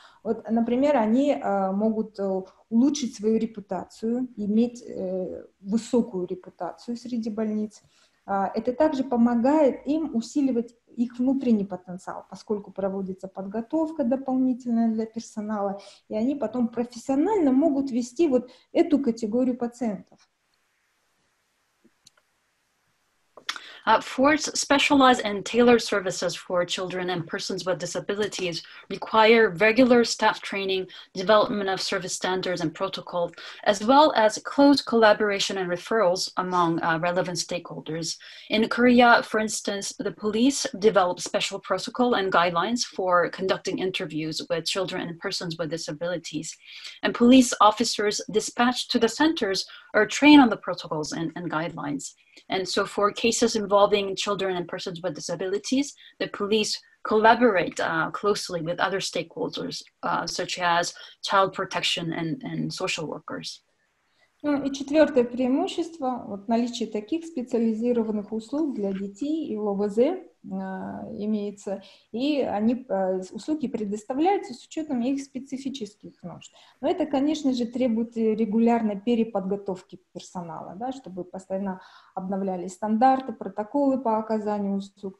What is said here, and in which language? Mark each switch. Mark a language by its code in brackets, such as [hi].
[ru] Вот, например, они могут улучшить свою репутацию, иметь высокую репутацию среди больниц. Это также помогает им усиливать их внутренний потенциал, поскольку проводится подготовка дополнительная для персонала, и они потом профессионально могут вести вот эту категорию пациентов. [en] Fourth, specialized and tailored services for children and persons with disabilities require regular staff training, development of service standards and protocols, as well as close collaboration and referrals among relevant stakeholders. In Korea, for instance, the police develop special protocol and guidelines for conducting interviews with children and persons with disabilities. And police officers dispatched to the centers are trained on the protocols and guidelines. And so for cases involving children and persons with disabilities, the police collaborate closely with other stakeholders, such as child protection and social workers. [ru] Ну и четвертое преимущество, вот наличие таких специализированных услуг для детей и ОВЗ имеется, и они, услуги предоставляются с учетом их специфических нужд. Но это, конечно же, требует регулярной переподготовки персонала, да, чтобы постоянно обновлялись стандарты, протоколы по оказанию услуг.